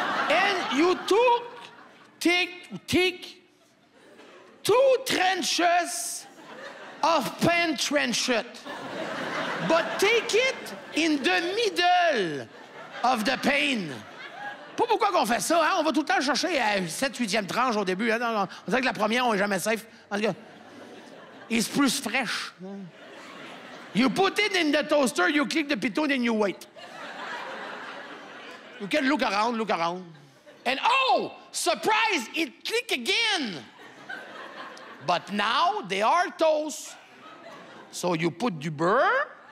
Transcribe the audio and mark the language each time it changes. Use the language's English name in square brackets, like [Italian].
[English] And you took, two trenches of [French] pain trenchette. [English] But take it in the middle of the pain. [French] Pas pourquoi qu'on fait ça, hein? On va tout le temps chercher la 7e, 8e tranche au début. Hein? On dirait que la première, on est jamais safe. En tout cas, [English] it's plus fresh. You put it in the toaster, you click the piton, and you wait. You can look around. And oh, surprise, it click again. But now they are toast. So you put [French] du beurre.